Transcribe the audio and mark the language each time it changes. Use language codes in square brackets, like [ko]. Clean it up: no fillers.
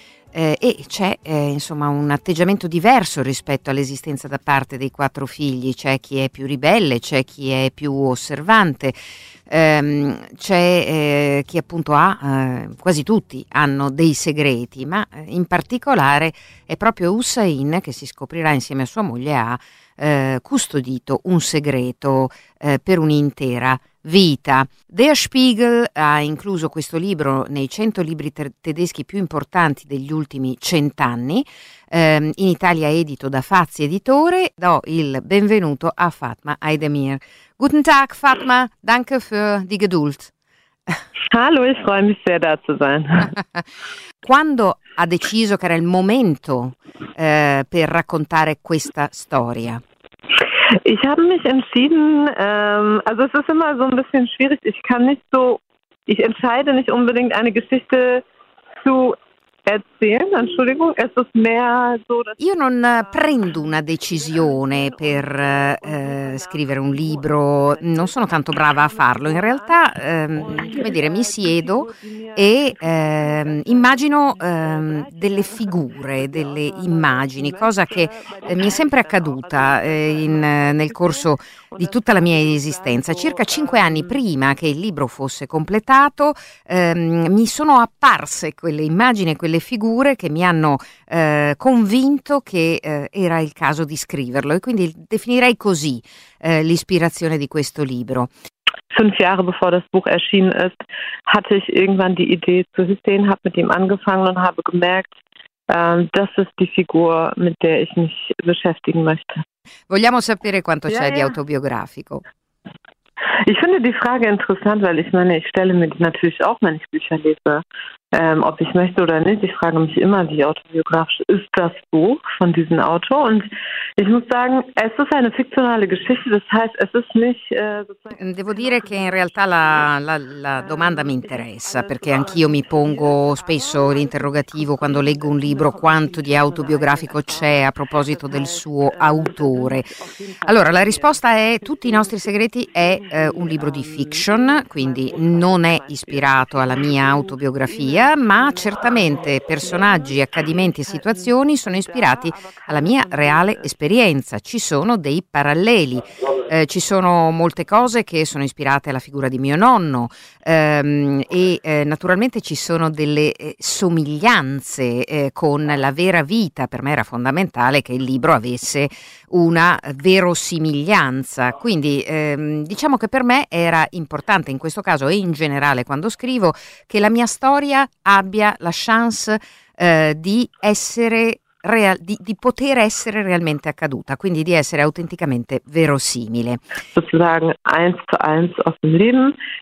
[it] E c'è insomma un atteggiamento diverso rispetto all'esistenza da parte dei quattro figli, c'è chi è più ribelle, c'è chi è più osservante, c'è chi appunto ha, quasi tutti hanno dei segreti, ma in particolare è proprio Hussein che si scoprirà insieme a sua moglie ha custodito un segreto per un'intera vita. Der Spiegel ha incluso questo libro nei 100 libri tedeschi più importanti degli ultimi 100 anni, in Italia edito da Fazi Editore. Do il benvenuto a Fatma Aydemir. [de] Guten Tag, Fatma, danke für die Geduld. Hallo, ich freue mich sehr da zu sein. [it] Quando ha deciso che era il momento per raccontare questa storia? [de] Ich habe mich entschieden, also es ist immer so ein bisschen schwierig, ich entscheide nicht unbedingt eine Geschichte zu erzählen, Entschuldigung, es ist mehr so, dass [it] io non prendo una decisione per scrivere un libro, non sono tanto brava a farlo, in realtà, come dire, mi siedo e immagino delle figure, delle immagini, cosa che mi è sempre accaduta nel corso di tutta la mia esistenza. Circa 5 anni prima che il libro fosse completato, mi sono apparse quelle immagini, quelle figure che mi hanno convinto che era il caso di scriverlo, e quindi definirei così l'ispirazione di questo libro. [de] fünf Jahre bevor das Buch erschienen ist, hatte ich irgendwann die Idee zu Hüseyin, habe mit ihm angefangen und habe gemerkt, das ist die Figur, mit der ich mich beschäftigen möchte. [it] Vogliamo sapere quanto c'è di autobiografico. [de] Ich finde die Frage interessant, weil ich meine, ich stelle mir die natürlich auch, wenn ich Bücher lese, ob ich möchte oder nicht. Ich frage mich immer, wie autobiografisch ist das Buch von diesem Autor? Und ich muss sagen, es ist eine fiktionale Geschichte, das heißt, es ist nicht... [it] Devo dire che in realtà la domanda mi interessa, perché anch'io mi pongo spesso l'interrogativo quando leggo un libro, quanto di autobiografico c'è a proposito del suo autore. Allora, la risposta è, tutti i nostri segreti è un libro di fiction, quindi non è ispirato alla mia autobiografia, ma certamente personaggi, accadimenti e situazioni sono ispirati alla mia reale esperienza. Ci sono dei paralleli, ci sono molte cose che sono ispirate alla figura di mio nonno naturalmente ci sono delle somiglianze con la vera vita. Per me era fondamentale che il libro avesse una verosimiglianza, quindi diciamo che per me era importante in questo caso e in generale quando scrivo che la mia storia abbia la chance di poter essere realmente accaduta, quindi di essere autenticamente verosimile. [de] Sozusagen eins zu eins aus dem Leben.